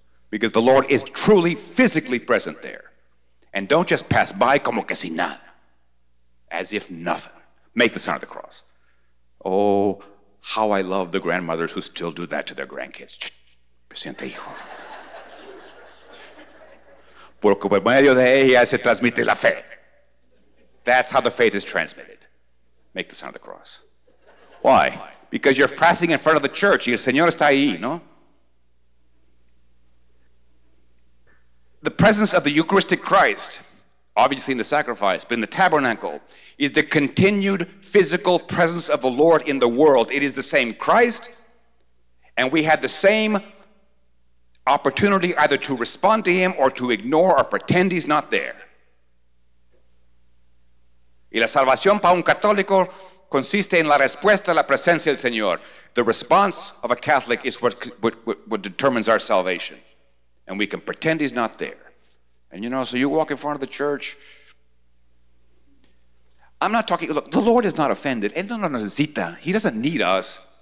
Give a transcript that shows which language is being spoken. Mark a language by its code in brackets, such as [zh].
[en] Because the Lord is truly physically present there. And don't just pass by [es] como que si nada. [en] As if nothing. Make the sign of the cross. Oh, how I love the grandmothers who still do that to their grandkids. [es] Presente, hijo. Porque por medio de ella se transmite la fe. [en] That's how the faith is transmitted. Make the sign of the cross. Why? Because you're passing in front of the church. [es] El Señor está ahí, no? [en] The presence of the Eucharistic Christ, obviously in the sacrifice, but in the tabernacle, is the continued physical presence of the Lord in the world. It is the same Christ, and we have the same opportunity either to respond to him or to ignore or pretend he's not there. [es] Y la salvación para un católico consiste en la respuesta a la presencia del Señor. [en] The response of a Catholic is what determines our salvation. And we can pretend he's not there. And you know, so you walk in front of the church. I'm not talking, look, the Lord is not offended. [es] Él no nos necesita. [en] He doesn't need us.